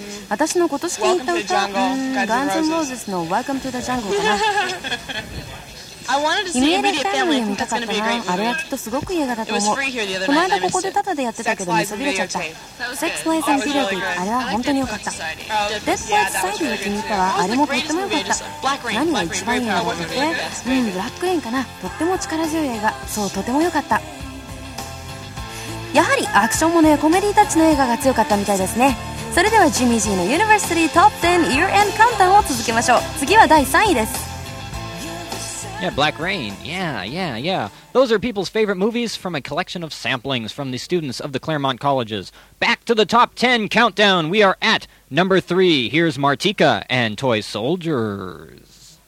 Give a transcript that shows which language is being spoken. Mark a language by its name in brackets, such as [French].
[Japanese] 私の今年聴いた歌、Guns N' Roses の Welcome to the Jungle かな。イメージファミリーを見たかったな。あれはきっとすごくいい映画だと思う。この間ここでタダでやってたけど見そびれちゃった。セックス・ライズ・アンド・ビデオティープ、あれは本当に良かった。デッド・ライズ・サイドが気に入ったわ。あれもとっても良かった。何が一番いいのかって、ブラック・レインかな。とっても力強い映画。そう、とても良かった。やはりアクションものやコメディータッチの映画が強かったみたいですね。それではジミー・ジーのユニバーシティ・トップ10 Year End Countdown を続けましょう。次は第3位です。 [English] Yeah, Black Rain. Yeah. Those are people's favorite movies from a collection of samplings from the students of the Claremont Colleges. Back to the top 10 countdown. We are at number 3. Here's Martika and Toy Soldiers.